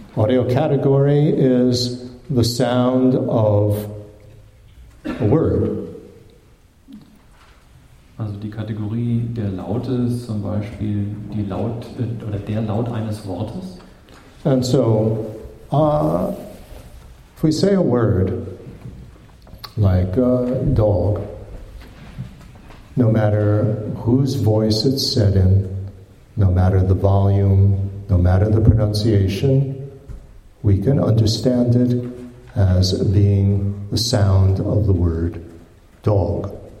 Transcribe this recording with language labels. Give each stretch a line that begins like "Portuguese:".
English: Audio category is the sound of a word.
German: Also die Kategorie der Laute ist zum Beispiel die Laut oder der Laut eines Wortes.
English: And so, if we say a word like dog, no matter whose voice it's said in, no matter the volume, no matter the pronunciation, we can understand it as being the sound of the word dog.